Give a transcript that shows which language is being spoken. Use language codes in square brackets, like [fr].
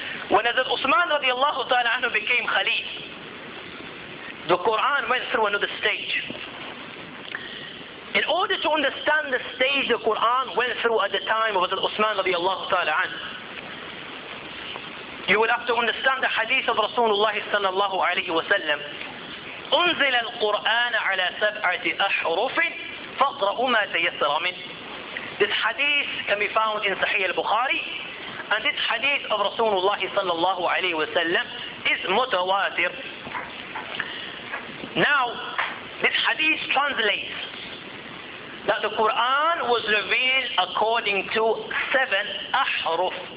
[en] When Hazrat Uthman radiallahu ta'ala anhu became Khalif, the Quran went through another stage. In order to understand the stage the Quran went through at the time of Hazrat Uthman radiallahu ta'ala anhu, you will have to understand the hadith of Rasulullah sallallahu alayhi wa sallam. [ar] أنزل القرآن على سبعة أحرف فاقرأوا ما تيسر منه. [en] This hadith can be found in Sahih al-Bukhari. And this hadith of Rasulullah sallallahu alayhi wa sallam is mutawatir. Now, this hadith translates that the Quran was revealed according to seven ahruf.